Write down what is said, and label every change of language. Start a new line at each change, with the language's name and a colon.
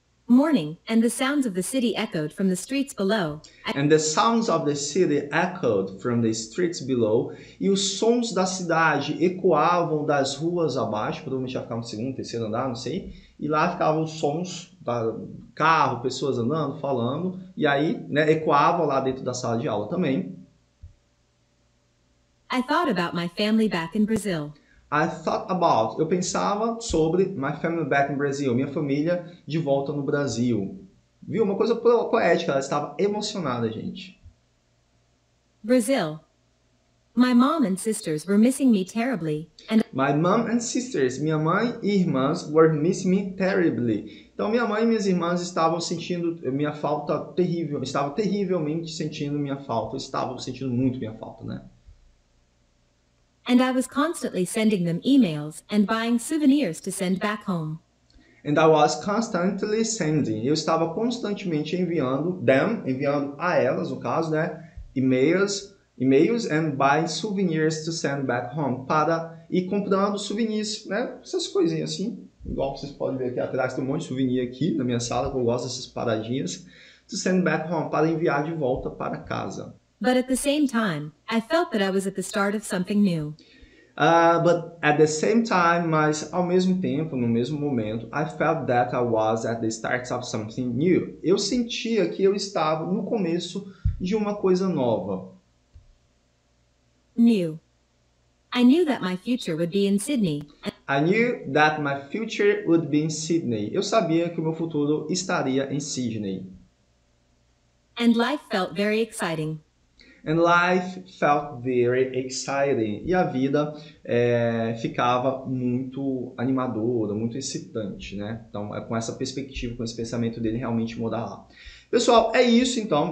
English: Morning, and the sounds of the city echoed from the streets below. And the sounds of the city echoed from the streets below.
Portuguese: E os sons da cidade ecoavam das ruas abaixo, provavelmente já ficava no segundo, terceiro andar, não sei. E lá ficavam os sons da carro, pessoas andando, falando. E aí, né, ecoavam lá dentro da sala de aula também.
English: I thought about my family back in Brazil. I thought about,
Portuguese: eu pensava sobre
English: my family back in Brazil,
Portuguese: minha família de volta no Brasil. Viu? Uma coisa poética, ela estava emocionada, gente.
English: Brazil. My mom and sisters were missing me terribly. And my mom and sisters,
Portuguese: minha mãe e irmãs,
English: were missing me terribly.
Portuguese: Então, minha mãe e minhas irmãs estavam sentindo minha falta terrível, estavam terrivelmente sentindo minha falta, estavam sentindo muito minha falta, né?
English: And I was constantly sending them emails and buying souvenirs to send back home. And I was constantly sending.
Portuguese: Eu estava constantemente enviando them, enviando a elas, no caso, né?
English: Emails and buying souvenirs to send back home.
Portuguese: Para ir comprando souvenirs, né? Essas coisinhas assim. Igual vocês podem ver aqui atrás, tem um monte de souvenir aqui na minha sala, que eu gosto dessas paradinhas.
English: To send back home,
Portuguese: para enviar de volta para casa.
English: But at the same time, I felt that I was at the start of something new. But at the same time,
Portuguese: mas ao mesmo tempo, no mesmo momento,
English: I felt that I was at the start of something new.
Portuguese: Eu sentia que eu estava no começo de uma coisa nova.
English: New. I knew that my future would be in Sydney. I knew that my future would be in Sydney.
Portuguese: Eu sabia que o meu futuro estaria em Sydney.
English: And life felt very exciting. And life felt very exciting.
Portuguese: E a vida ficava muito animadora, muito excitante, né? Então, é com essa perspectiva, com esse pensamento dele realmente mudar lá. Pessoal, é isso então.